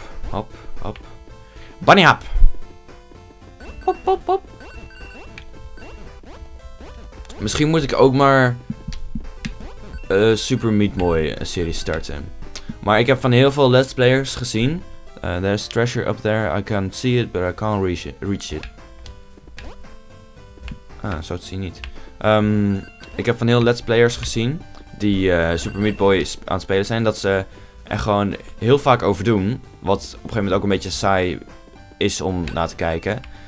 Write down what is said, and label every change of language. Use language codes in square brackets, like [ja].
[en] Hop. Bunny hop! Hop. [nl] Misschien moet ik ook maar Super Meat Boy serie starten. Maar ik heb van heel veel Let's Players gezien. [en] There's treasure up there. I can see it, but I can't reach it. [nl] Ah, zo te zien niet. Ik heb van heel Let's Players gezien die Super Meat Boy aan het spelen zijn. Dat ze er gewoon heel vaak over doen. Wat op een gegeven moment ook een beetje saai is om naar te kijken.